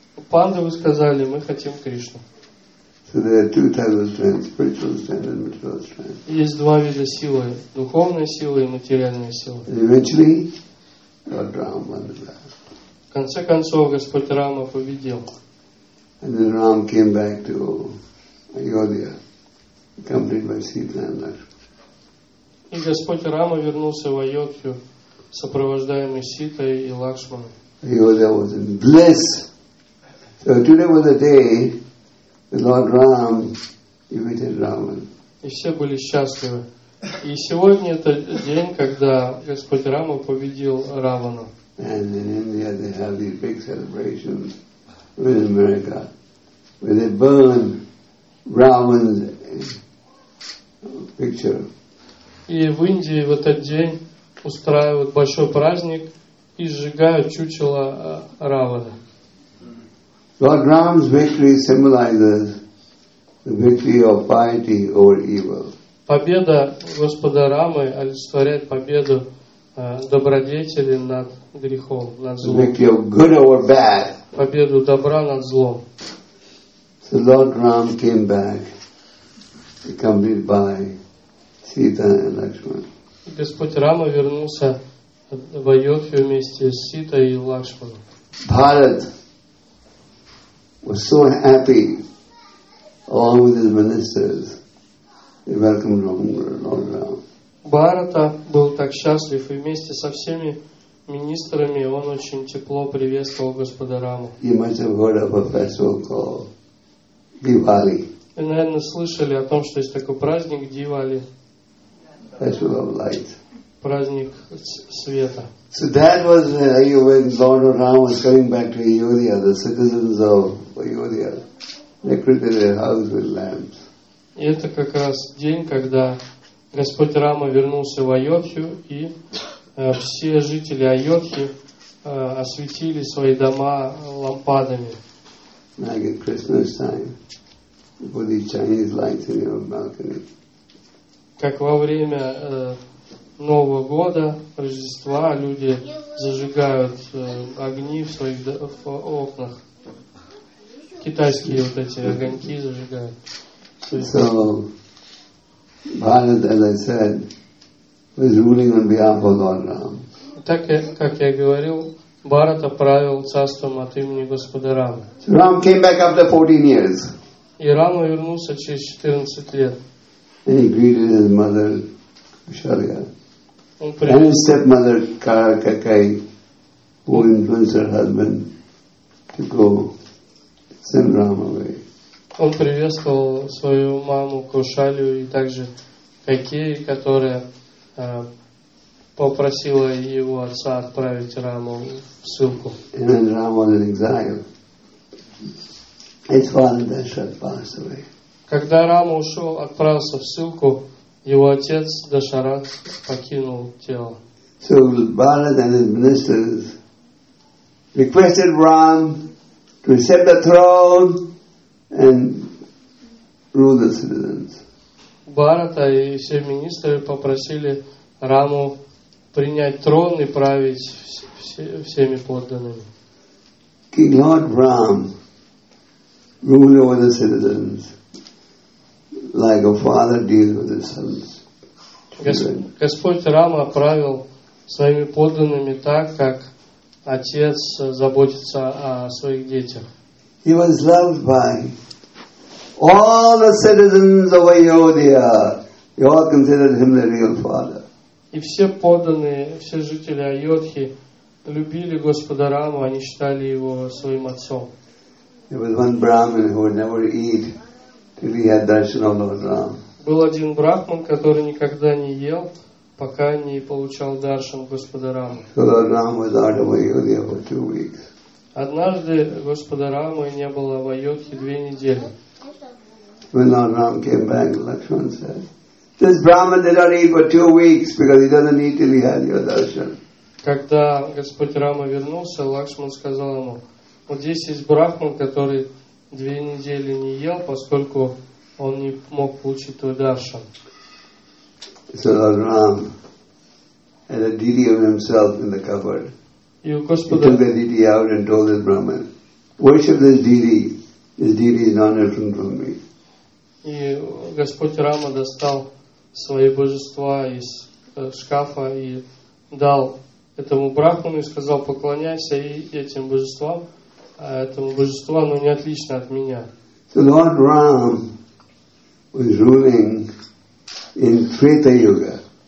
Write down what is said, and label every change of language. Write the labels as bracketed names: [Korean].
[Russian] Пандавы сказали, мы хотим Кришну. [English] So there are two types of strength, spiritual strength and material strength. [Russian] Есть два вида силы, духовная сила и материальная сила. [English] Eventually, Lord Rama won the battle. [Russian] В конце концов, Господь Рама победил. [English] And then Ram came back to Ayodhya, accompanied by Sita and Lakshmi. [Russian] И Господь Рама вернулся в Айодхью, сопровождаемый Ситой и Лакшманом. [English] Айодхья was in bliss. So today was the day the Lord Ram defeated Ravan. [Russian] И все были счастливы. И сегодня это день, когда Господь Рама победил Равану. [English] And in India they have these big celebrations with America, where they burn Ravan's picture. [Russian] И в Индии в этот день устраивают большой праздник и сжигают чучело Раваны. [English] Lord Ram's victory symbolizes the victory of piety over evil. [Russian] Победа Господа Рамы олицетворяет победу добродетели над грехом, над злом. [English] The victory of good over bad. [Russian] Победу добра над злом. [English] So Lord Ram came back, accompanied by Sita and Lakshman. [Russian] Господь Рама вернулся в Айодхью вместе с Ситой и Лакшманом. [English] Bharat was so happy along with his ministers. He welcomed Lord Rama. [Russian] Bharata был так счастлив и вместе со всеми министрами он очень тепло приветствовал Господа Раму. [English] You must have heard of a festival called Diwali. [Russian] Вы, наверное, слышали о том, что есть такой праздник Дивали. [English] Festival of light. [Russian] Праздник света. [English] So that was when Lord Ram was coming back to Ayodhya. The citizens of Ayodhya decorated their house with lamps. [Russian] И это как раз день, когда Господь Рама вернулся в Айодхью, и все жители Айодхи осветили свои дома лампадами. [English] Like at Christmas time, put the Chinese lights in your balcony. [Russian] Как во время Нового года, Рождества, люди зажигают огни в своих окнах. Китайские вот эти огоньки зажигают. [English] So, Bharat, as I said, was ruling on behalf of Lord Rama. [Russian] Так, как я говорил, Бхарат правил царством от имени Господа Рамы. [English] Ram came back after 14 years. [Russian] И Рама вернулся через 14 лет. [English] And he greeted his mother, Kausalya. And his stepmother, Karakakai, who influenced her husband to go send Ram away. [Russian] Он приветствовал свою маму Кушалью и также Кайкеи, которая попросила его отца отправить Раму в ссылку. [English] And Ram was in exile. His father Dashrath passed away. [Russian] Когда Рама ушел, отправился в ссылку, его отец Дашарат покинул тело. [English] So Bharat and his ministers requested Ram to accept the throne and rule the citizens. [Russian] Бхарата и все министры попросили Раму принять трон и править всеми подданными. [English] King Lord Ram ruled over the citizens. Like a father deals with his sons. [Russian] Господь Рама правил своими подданными так, как отец заботится о своих детях. [English] He was loved by all the citizens of Ayodhya. They all considered him the real father. [Russian] И все подданные, все жители Айодхи любили Господа Раму, они считали его своим отцом. [English] There was one Brahmin who would never eat. Till he had darshan of Lord Ram. [Russian] Был один брахман, который никогда не ел, пока не получал даршан Господа Рамы. [English] So Lord Ram was out of Ayodhya for 2 weeks. [Russian] Однажды Господа Рамы не было в Айодхе 2 недели. [English] When Lord Ram came back, Lakshman said, "This Brahman did not eat for 2 weeks because he doesn't eat till he had your darshan." [Russian] Когда Господь Рама вернулся, Лакшман сказал ему: "Вот здесь есть брахман, который 2 недели не ел, поскольку он не мог получить твой даршан." [English] So Lord Ram had a DD of himself in the cupboard. [Russian] И у Господа... [English] He took the DD out and told his Brahman, "Worship this DD. This DD is not different from me." [Russian] И Господь Рама достал свои божества из шкафа и дал этому брахману и сказал: "Поклоняйся и этим божествам, этому божеству, оно не отлично от меня." [English] So Lord Ram was ruling in Treta Yuga.